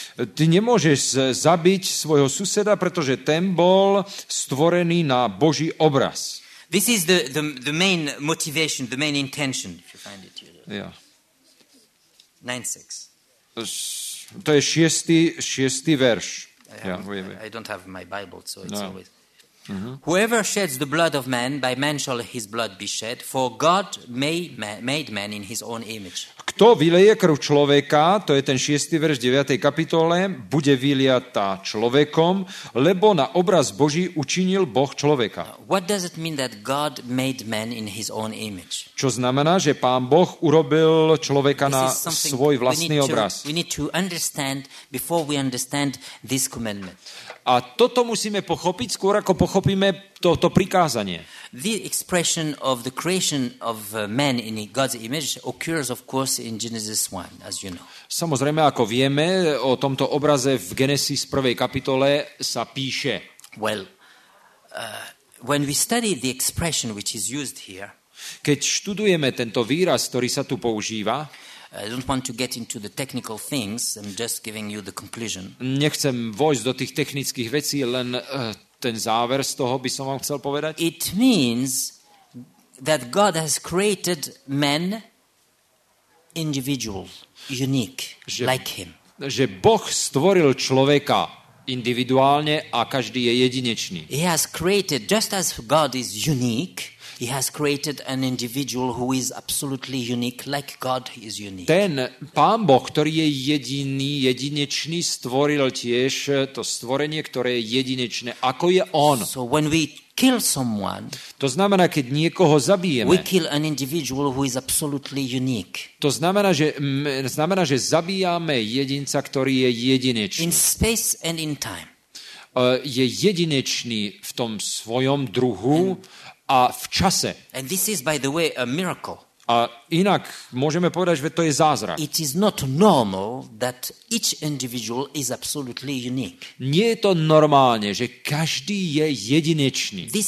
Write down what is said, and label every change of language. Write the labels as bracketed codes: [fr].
[sk] Ty nemôžeš zabiť svojho suseda, pretože ten bol stvorený na Boží obraz. [en] This is the main motivation, the main intention, if you find it here. Yeah. 9:6. [sk] To je šiestý verš. [en] I don't have my Bible, so it's always... Mm-hmm. Whoever sheds the blood of man, by man shall his blood be shed, for God made man in his own image. [sk] Kto vylieje krv človeka, to je ten 6. verš 9. kapitole, bude vyliata človekom, lebo na obraz Boží učinil Boh človeka. [en] What does it mean that God made man in his own image? [sk] Čo znamená, že Pán Boh urobil človeka na svoj vlastný obraz? [en] We need to understand before we understand this commandment. [sk] A toto musíme pochopiť skôr, ako pochopíme toto prikázanie. [en] The expression of the creation of man in God's image occurs, of course, in Genesis 1, as you know. [sk] Samozrejme, ako vieme, o tomto obraze v Genesis 1. kapitole sa píše. [en] Well, when we study the expression which is used here, [sk] keď študujeme tento výraz, ktorý sa tu používa, [en] I don't want to get into the technical things, I'm just giving you the conclusion. [sk] Nechcem vojsť do tých technických vecí, len ten záver z toho by som vám chcel povedať. [en] It means that God has created men individual, unique, like him. [sk] Že Boh stvoril človeka individuálne a každý je jedinečný. [en] He has created, just as God is unique, He has created an individual who is absolutely unique, like God is unique. [sk] Ten Pán Boh, ktorý je jediný, jedinečný, stvoril tiež to stvorenie, ktoré je jedinečné. Ako je on? [en] So when we kill someone, [sk] to znamená, keď niekoho zabijeme, [en] we kill an individual who is absolutely unique. [sk] To znamená, že zabijame jedinca, ktorý je jedinečný. [en] In space and in time. [sk] Je jedinečný v tom svojom druhu, a v čase. [en] And this is, by the way, a miracle. [sk] A inak môžeme povedať, že to je zázrak. [en] It is not normal that each individual is absolutely unique. [sk] Nie je to normálne, že každý je jedinečný.